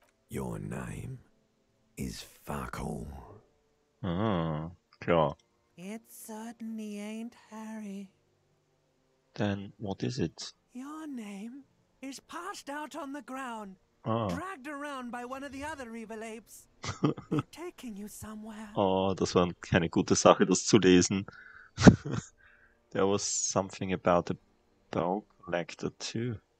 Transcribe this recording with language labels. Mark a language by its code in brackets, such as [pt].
[en] Your name is fuck all. [de] Ah, klar. [en] It certainly ain't Harry. Then what is it? Your name is passed out on the ground. Ah. Dragged around by one of the other evil apes. Taking you somewhere. [de] Oh, das war keine gute Sache, das zu lesen. [en] There was something about the bow collector too.